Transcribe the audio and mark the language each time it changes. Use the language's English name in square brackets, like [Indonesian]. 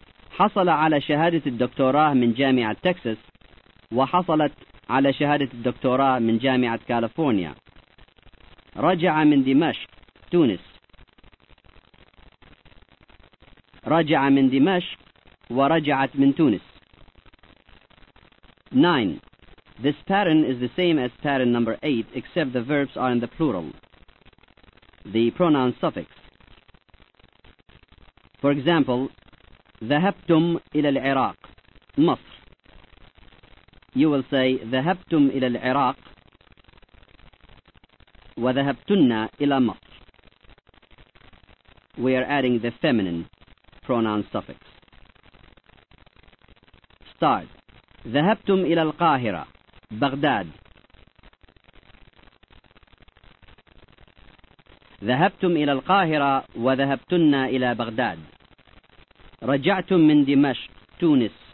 [Arabic] حصل على شهادة الدكتوراه من جامعة تكساس وحصلت على شهادة الدكتوراه من جامعة كاليفورنيا. رجع من دمشق تونس. رجع من دمشق ورجعت من تونس. [English] 9. This pattern is the same as pattern number 8 except the verbs are in the plural. The pronoun suffix. For example, [Arabic] ذهبتم إلى العراق مصر. [English] You will say [Arabic] ذهبتم إلى العراق وذهبتن إلى مصر. [English] We are adding the feminine pronoun suffix. Start. [Arabic] ذهبتم إلى القاهرة بغداد. ذهبتم إلى القاهرة وذهبتن إلى بغداد. رجعتم من دمشق تونس.